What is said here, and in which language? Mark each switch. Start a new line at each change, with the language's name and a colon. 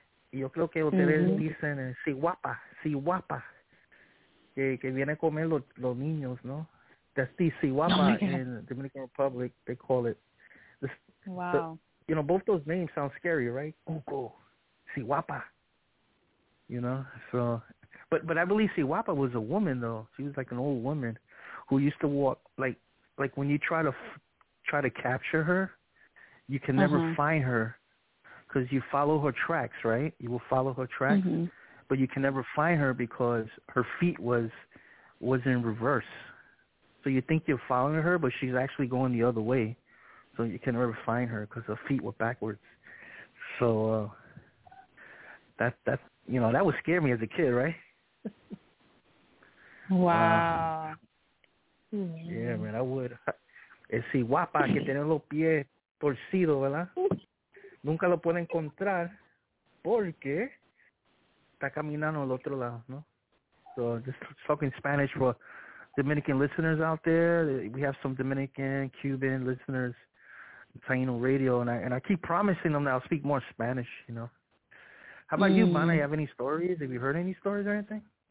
Spanish: Y yo creo que ustedes dicen, si guapa, que viene a comer los niños, ¿no?
English: That's the si guapa in Dominican Republic, they call it. Wow. You know, both those names sound scary, right? Cuco, si guapa. You know, so, but I believe si guapa was a woman, though. She was like an old woman who used to walk, like when you try to capture her, you can never find her because you follow her tracks, right? You will follow her tracks, but you can never find her because her feet was in reverse. So you think you're following her, but she's actually going the other way. So you can never find her because her feet were backwards. So that's, you know, that would scare me as a kid, right? Wow. Yeah, man, I would.
Spanish: Es guapa que tiene los pies torcidos, ¿verdad? Nunca lo puede encontrar porque está caminando al otro lado, ¿no?
English: So, just talking Spanish for Dominican listeners out there. We have some Dominican, Cuban listeners, Taino Radio, and I keep promising them that I'll speak more Spanish, you know. How about you, Mana? You have any stories? Have you heard any stories or anything?